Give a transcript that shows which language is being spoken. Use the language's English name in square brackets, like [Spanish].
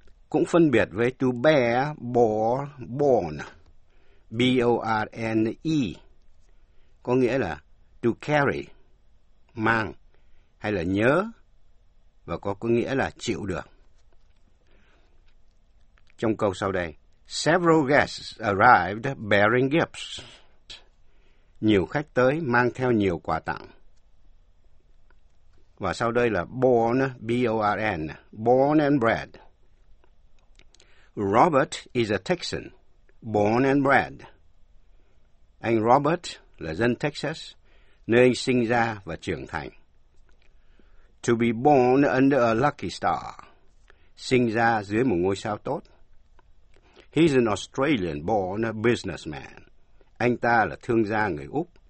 [Vietnamese] Cũng phân biệt với to bear, bore, born, B-O-R-N-E, có nghĩa là [English] to carry, [Vietnamese] mang, hay là nhớ, và có nghĩa là chịu được. Trong câu sau đây, [English] several guests arrived bearing gifts. [Vietnamese] Nhiều khách tới mang theo nhiều quà tặng. Và sau đây là born, B-O-R-N, [English] born and bred. Robert is a Texan, born and bred. [Vietnamese] Anh Robert là dân Texas, nơi anh sinh ra và trưởng thành. [English] To be born under a lucky star, [Vietnamese] sinh ra dưới một ngôi sao tốt. [English] He's an Australian born businessman, [Vietnamese] anh ta là thương gia người Úc.